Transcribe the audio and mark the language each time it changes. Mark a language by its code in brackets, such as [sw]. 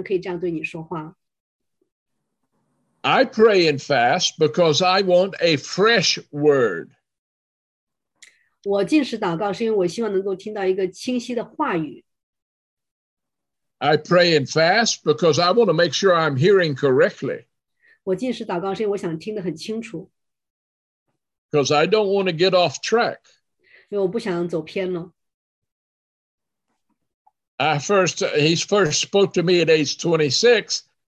[zh] 神只对保罗这样做过，当初你怎么接受主，你怎么听到圣灵的声音的，今天他仍然可以这样对你说话。 [en] I pray and fast because I want a fresh word. [zh] 我禁食祷告是因为我希望能够听到一个清晰的话语。 [en] I pray and fast because I want to make sure I'm hearing correctly. [zh] 我禁食祷告是因为我想听得很清楚。 [en] Because I don't want to get off track. He first spoke to me at age 26.